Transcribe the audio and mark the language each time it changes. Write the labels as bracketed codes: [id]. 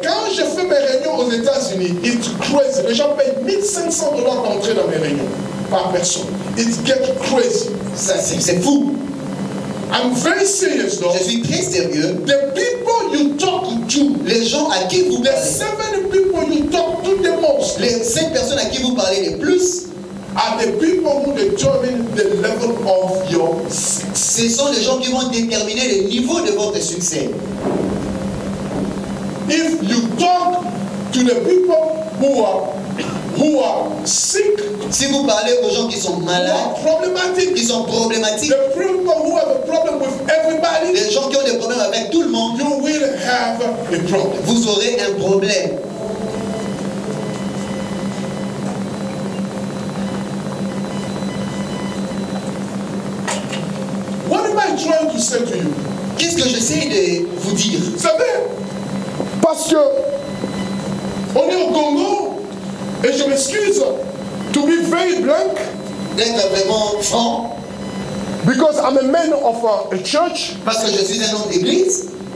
[fr] Quand je fais mes réunions aux États-Unis, [en] it's crazy. [fr] Les gens payent $1,500 d'entrée dans mes réunions. Par personne. [en] It gets crazy. [fr] Ça, c'est fou. [en] I'm very serious, though. [fr] Je suis très sérieux. [en] The people you talk to. [fr] Les gens à qui vous [en] the [fr] parlez. [en] The 7 people you talk to the most. [fr] Les 5 personnes à qui vous parlez le plus. [en] Are the people who determine the level of your success. [fr] Ce sont les gens qui vont déterminer le niveau de votre succès. [en] If you talk to the people who are sick. [fr] Si vous parlez aux gens qui sont malades, qui sont problématiques, [en] the people who have a problem with everybody, [fr] les gens qui ont des problèmes avec tout le monde, [en] you will have a problem. [fr] Vous aurez un problème. [en] What am I trying to say to you? [fr] Qu'est-ce que j'essaie de vous dire? Vous savez, parce que on est au Congo. Et je m'excuse [en] to be very blank. [fr] D'être vraiment franc. [en] Because I'm a man of a church. [fr] Parce que je suis un homme d'église.